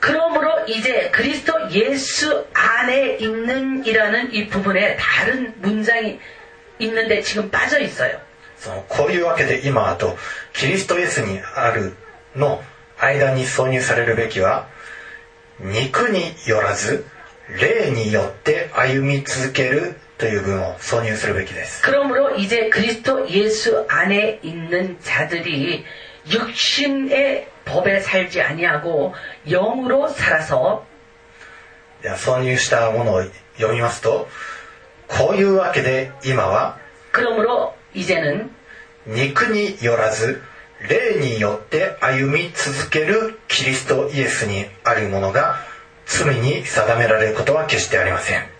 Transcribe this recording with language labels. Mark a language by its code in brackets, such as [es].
[ko] 그러므로이제그리스도예수안에있는이라는이부분에다른문장이있는데지금빠져있어요。 [ja] そのこういうわけで今とキリストイエスにあるの間に挿入されるべきは肉によらず霊によって歩み続けるという文を挿入するべきです。 [ko] 그러므로이제그리스도예수안에있는자들이육신의법에살지아니하고영으로살아서 [ja] 挿入したものを読みますと、こういうわけで今は [ko] 그러므로이제는 [ja] 肉によらず霊によって歩み続けるキリストイエスにあるものが罪に定められることは決してありません。